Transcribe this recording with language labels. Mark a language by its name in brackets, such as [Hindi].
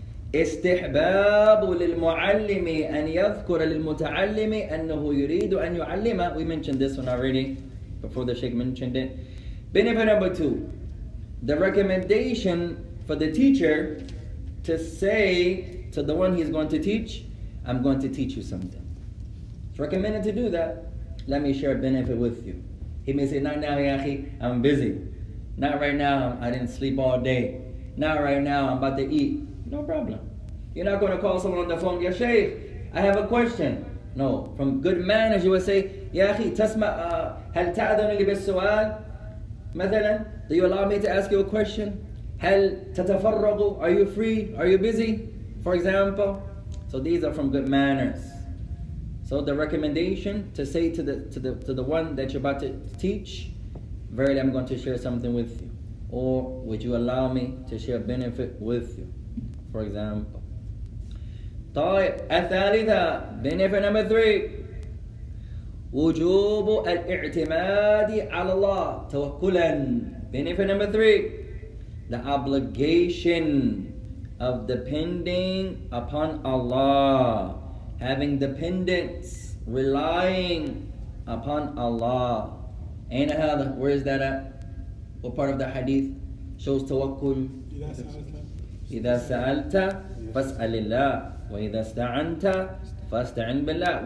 [Arabic] استحباب للمعلم أن يذكر للمتعلم أنه يريد أن يعلمه. [English] We mentioned this one already before the Sheikh mentioned it. Benefit number two, the recommendation for the teacher to say to the one he's going to teach, I'm going to teach you something. It's recommended to do that. Let me share a benefit with you. He may say, not now, yaakhi, I'm busy. Not right now, I didn't sleep all day. Not right now, I'm about to eat. No problem. You're not going to call someone on the phone, Ya Shaykh, I have a question. No. From good manners, you would say, [Arabic] Ya Akhi, tasma, hal ta'adhan li bis-su'al? [English] Mathalan, do you allow me to ask you a question? [Arabic] Hal tatafarragu? [English] Are you free? Are you busy? For example. So these are from good manners. So the recommendation to say to the one that you're about to teach, verily I'm going to share something with you. Or would you allow me to share benefit with you? For example. [Arabic] طيب الثالثة, [English] benefit number three, [Arabic] وجوب الاعتماد على الله توكلا. [English] Benefit number three, the obligation of depending upon Allah, having dependence, relying upon Allah. Ain't هذا, where is that at? What part of the hadith shows توكل? [Arabic] إذا سألت فاسأل الله وإذا استعنت فاستعن بالله.